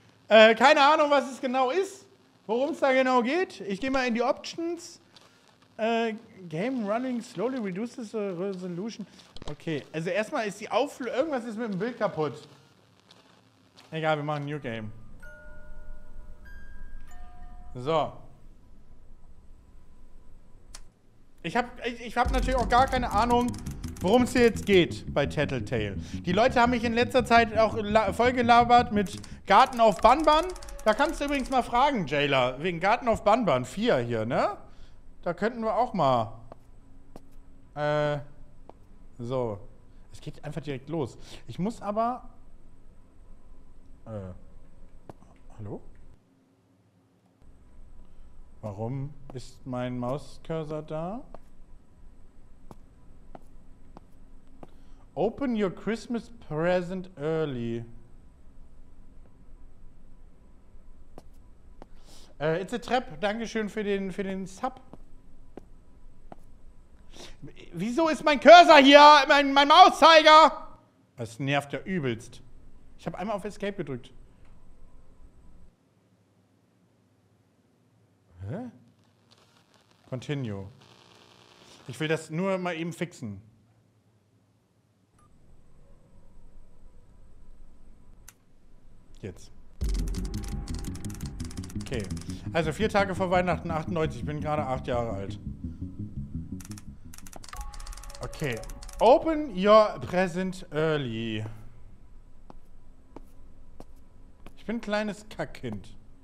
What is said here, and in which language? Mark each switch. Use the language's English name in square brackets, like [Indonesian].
[German] Keine Ahnung, was es genau ist, worum es da genau geht. Ich gehe mal in die Options. [English] Game running slowly reduces resolution. [German] Okay, also erstmal ist die Auflösung. Irgendwas ist mit dem Bild kaputt. Egal, wir machen ein New Game. So. Ich hab natürlich auch gar keine Ahnung, worum es jetzt geht bei Tattletale. Die Leute haben mich in letzter Zeit auch vollgelabert mit Garten auf Banban. Da kannst du übrigens mal fragen, Jailer, wegen Garten auf Banban 4 hier, ne? Da könnten wir auch mal. So. Es geht einfach direkt los. Ich muss aber. Hallo? Warum ist mein Mauscursor da? [English] Open your Christmas present early. It's a trap. [German] Dankeschön für den Sub. Wieso ist mein Cursor hier? Mein Mauszeiger? Das nervt ja übelst. Ich habe einmal auf Escape gedrückt. Hä? Continue. Ich will das nur mal eben fixen. Jetzt. Okay. Also 4 Tage vor Weihnachten, 98. Ich bin gerade 8 Jahre alt. Okay. [English] Open your present early. [German] Ich bin ein kleines Kackkind.